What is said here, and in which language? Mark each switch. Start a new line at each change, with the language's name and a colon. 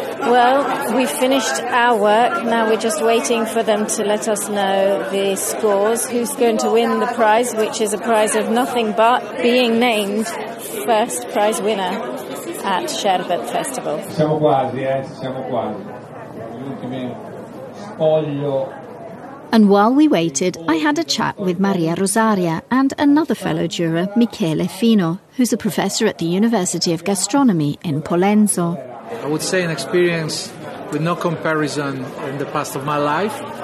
English: Well, we've finished our work. Now we're just waiting for them to let us know the scores. Who's going to win the prize, which is a prize of nothing but being named first prize winner at Sherbet Festival.
Italian: Siamo quasi, siamo quasi. L'ultimo spoglio.
English: And while we waited, I had a chat with Maria Rosaria and another fellow juror, Michele Fino, who's a professor at the University of Gastronomy in Polenzo. I would say an experience with no comparison in the past of my life.